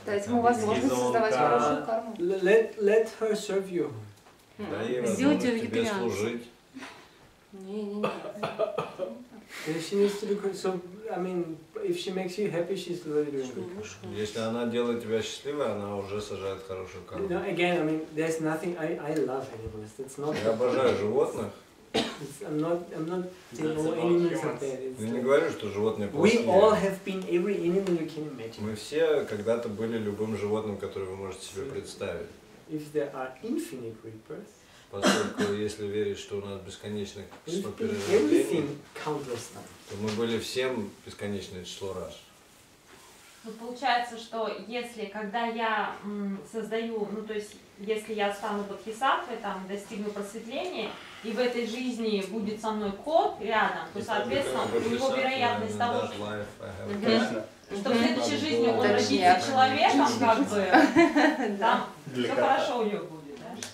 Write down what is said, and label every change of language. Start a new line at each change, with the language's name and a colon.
Russian: Дайте ему возможность создавать хорошую карму.
English: Let her serve you.
Russian: Сделайте ее вегетарианцем. Не-не-не.
English: She needs to do good. So, I mean, if she makes you happy, she's really doing good.
Russian: Если она делает тебя счастливой, она уже сажает хорошую карму.
English: No, again, I mean, there's nothing. I love animals. It's not.
Russian: Я обожаю животных.
English: I'm not saying
Russian: не говорю, что животные плохие.
English: We all have been every animal you can imagine.
Russian: Мы все когда-то были любым животным, которое вы можете себе представить.
English: If there are infinite reapers,
Russian: поскольку если верить, что у нас бесконечное число перерождений, то мы были всем бесконечное число раз. Ну, получается, что если, когда я создаю, ну, то есть, если я стану бодхисаттвой, там, достигну просветления, и в этой жизни будет со мной кот рядом, то, соответственно, у него вероятность того, что в следующей жизни он родится человеком, как бы, там, все хорошо у него будет, да?